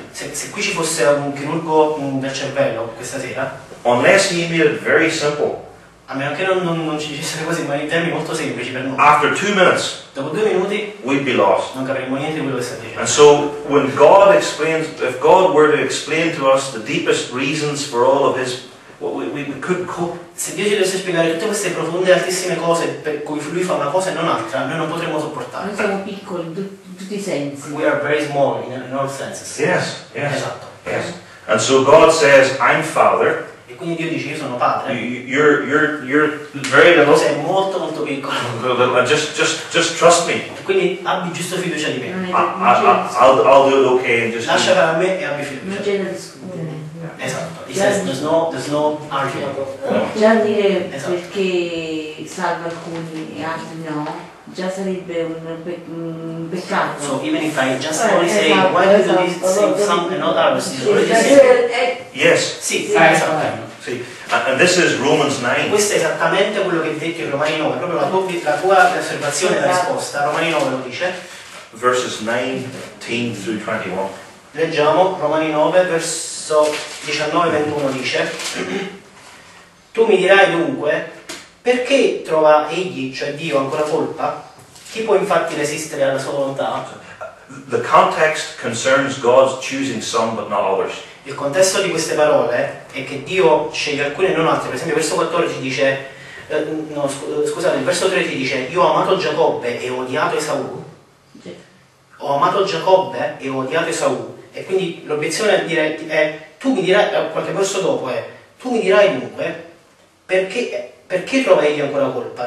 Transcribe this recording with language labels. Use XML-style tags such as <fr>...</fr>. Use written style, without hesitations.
<it>se qui ci fosse un chirurgo del cervello questa sera,</it> <en>unless he made it very simple,</en> <it>a meno che non ci dicesse così, ma in termini molto semplici per noi,</it> <en>after 2 minutes,</en> <it>dopo 2 minuti,</it> <en>we'd be lost.</en> <it>Non capiremmo niente di quello che sta dicendo.</it> <en>And so, when God explains, if God were to explain to us the deepest reasons for all of his, we could cope.</en> <it>Se Dio ci dovesse spiegare tutte queste profonde altissime cose per cui lui fa una cosa e non altra, noi non potremmo sopportarlo. Noi siamo piccoli in tutti i sensi.</it> <en>We are very small in all senses. Yes, yes.</en> <it>Esatto.</it> <en>Yes. And so God says, I'm Father.</en> <it>E quindi Dio dice, io sono padre.</it> <en>You're very little.</en> <it>Sei molto molto piccolo.</it> <en>Just trust me.</en> <it>Quindi abbi giusto fiducia di me.</it> <en>I'll do it okay and just.</en> <it>Lascia fare a me e abbi fiducia. Non c'è nessuno.</it> <en>Esatto, there's no</en> <it>argument. Già dire esatto. Perché salva alcuni e altri no, già sarebbe un peccato.</it> <en>So even if I just only say esatto, why do you esatto, save esatto, some and not others, it's already yes.</en> <it>Sì, sì, sì, esatto.</it> <en>Sì. And this is Romans 9.</en> <it>Questo è esattamente quello che hai detto in Romani 9, proprio la tua osservazione e la risposta. Romani 9 lo dice. Verses 19 through 21. Leggiamo Romani 9, verso 19-21 dice: tu mi dirai dunque, perché trova egli, cioè Dio, ancora colpa? Chi può infatti resistere alla sua volontà?</it> <en>The context concerns God's choosing some but not others.</en> <it>Il contesto di queste parole è che Dio sceglie alcune e non altre. Per esempio, verso 14 dice: scusate, verso 13 dice: io ho amato Giacobbe e ho odiato Esaù. Ho amato Giacobbe e ho odiato Esaù. E quindi l'obiezione a dire è, tu mi dirai, qualche verso dopo è, tu mi dirai dunque, perché trova egli ancora colpa?</it>